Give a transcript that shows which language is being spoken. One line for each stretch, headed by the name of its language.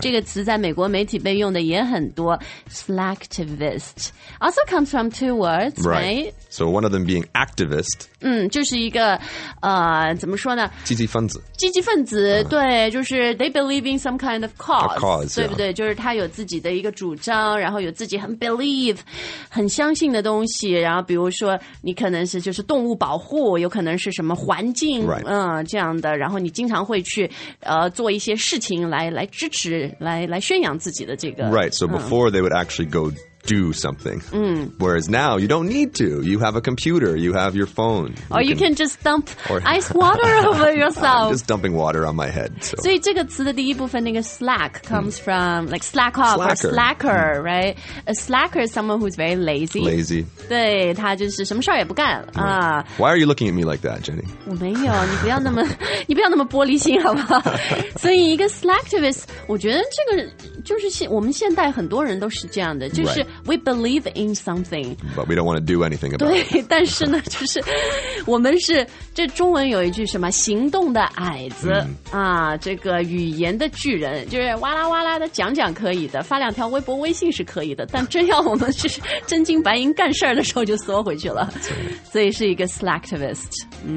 Chinese: 这个词在美国媒体被用的也很多 Slacktivist.
English: Also comes from two words, right? Right. So one of them being activist.
Chinese: 嗯就是一个怎么说呢积极分子。积极分子、对就是
English: they believe in some kind of cause. A cause,
Chinese: 对不对、
English: yeah.
Chinese: 就是他有自己的一个主张然后有自己很believe 很相信的东西然后比如说你可能是就是动物保护有可能是什么环境、
English: right.
Chinese: 这样的然后你经常会去做一些事情来支持来宣扬自己的这个
English: Right, so before、they would actually go do something、whereas now you don't need to you have a computer you have your phone or you can just dump ice water over yourself just dumping water on my head、so.
Chinese: 所以这个词的第一部分那个
English: slack comes、from like slack off slacker. or slacker、right a slacker is someone who's very lazy
Chinese: 对他就是什么事儿也不干、
English: why are you looking at me like that Jenny
Chinese: 我没有你不要那么玻璃心好不好所以一个 slacktivist 我觉得这个就是我们现代很多人都是这样的就是、
English: right. We believe in something, but we don't want to do anything about
Chinese: 对
English: it.
Chinese: 但是呢，就是我们是这中文有一句什么“行动的矮子”、这个语言的巨人，就是哇啦哇啦的讲可以的，发两条微博、微信是可以的，但真要我们就是真金白银干事儿的时候就缩回去了，所以是一个 slacktivist。